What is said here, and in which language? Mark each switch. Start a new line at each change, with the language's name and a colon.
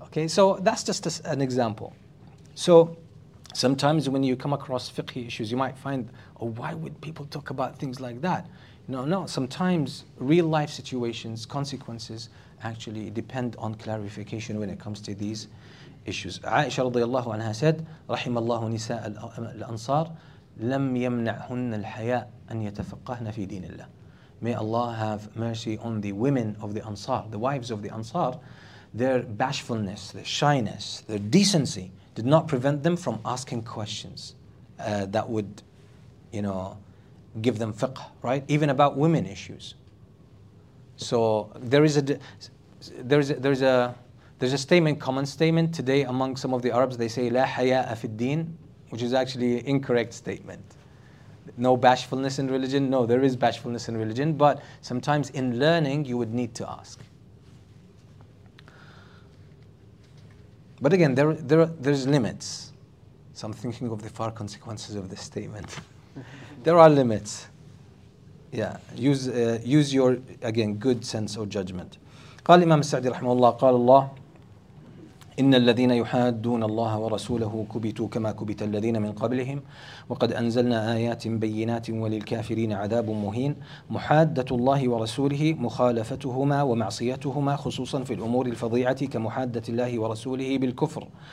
English: Okay, so that's just an example. So sometimes when you come across fiqhi issues, you might find, oh, why would people talk about things like that? No, sometimes real life situations, consequences actually depend on clarification when it comes to these issues. Aisha radiallahu anha said,
Arabic: رحم الله نساء الأنصار لم يمنعهن الحياء أن يتفقهن في دين الله.
English: May Allah have mercy on the women of the Ansar, the wives of the Ansar. Their bashfulness, their shyness, their decency did not prevent them from asking questions that would, you know, give them fiqh, right? Even about women issues. So there is a, there is a, there is a, There's a statement, common statement today among some of the Arabs. They say
Arabic: لا حياء في الدين,
English: which is actually an incorrect statement. No bashfulness in religion. No, there is bashfulness in religion, but sometimes in learning you would need to ask. But again, there's limits. So I'm thinking of the far consequences of this statement. There are limits. Yeah, use your, again, good sense or judgment.
Arabic: قال إمام السعدي رحمه الله قال الله إن الذين يحادون الله ورسوله كبتوا كما كبت الذين من قبلهم وقد أنزلنا آيات بينات وللكافرين عذاب مهين محادة الله ورسوله مخالفتهما ومعصيتهما خصوصا في الأمور الفظيعة كمحادة الله ورسوله بالكفر